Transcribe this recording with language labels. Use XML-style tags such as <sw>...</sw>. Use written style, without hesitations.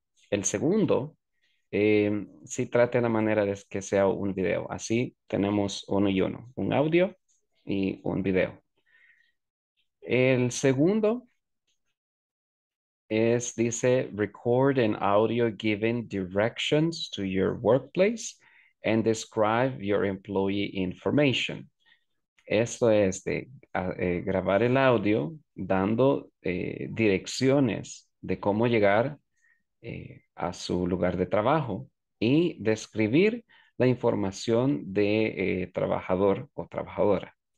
<es>El segundo, sí trate la manera de que sea un video. Así tenemos 1 y 1, un audio y un video. El segundo dice,</es> <en>record an audio giving directions to your workplace and describe your employee information.</en> <es>Esto es de grabar el audio dando direcciones de cómo llegar a su lugar de trabajo y describir la información de trabajador o trabajadora.</es>